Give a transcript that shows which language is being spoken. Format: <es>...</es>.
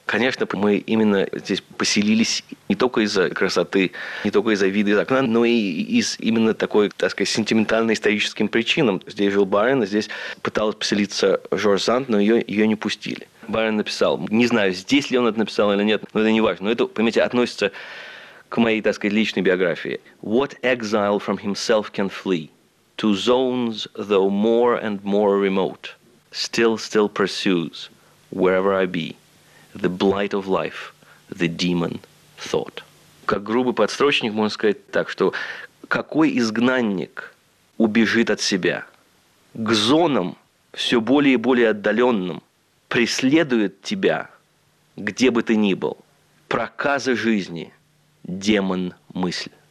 <ru>Конечно, мы именно здесь поселились не только из-за красоты, не только из-за вида из окна, но и из именно такой, так сказать, сентиментально-историческим причинам. Здесь жил Байрон, а здесь пыталась поселиться Жорж Санд, но ее не пустили. Байрон написал, не знаю, здесь ли он это написал или нет, но это не важно. Но это, понимаете, относится к моей, так сказать, личной биографии.</ru> <en>«What exile from himself can flee? To zones, though more and more remote, still pursues, wherever I be, the blight of life, the demon thought.</en> <ru>Как грубый подстрочник, можно сказать так, что какой изгнанник убежит от себя? К зонам, все более и более отдаленным, преследует тебя, где бы ты ни был. Проказа жизни, демон мысль.</ru>